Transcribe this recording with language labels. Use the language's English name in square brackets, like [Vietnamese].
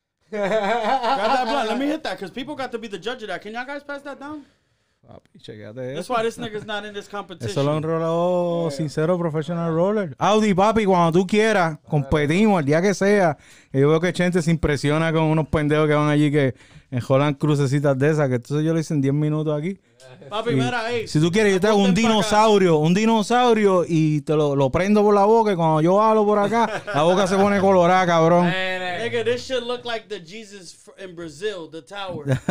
[English] Let me hit that, because people got to be the judge of that. Can y'all guys pass that down? That's why this nigga's not in this competition. [Spanish] Eso lo enroló Sincero Professional Roller. Audi, papi, cuando tú quieras, competimos el día que sea. Y yo veo que Chente se impresiona con unos pendejos que van allí que enjolan crucecitas de esas. Que entonces yo le hice en 10 minutos aquí. Papi, mira, ahí. Si tú quieres, yo te hago un dinosaurio y te lo prendo por la boca. Y cuando yo hablo por acá, la boca se pone colorada, cabrón. [English] Nigga, this should look like the Jesus in Brazil, the tower.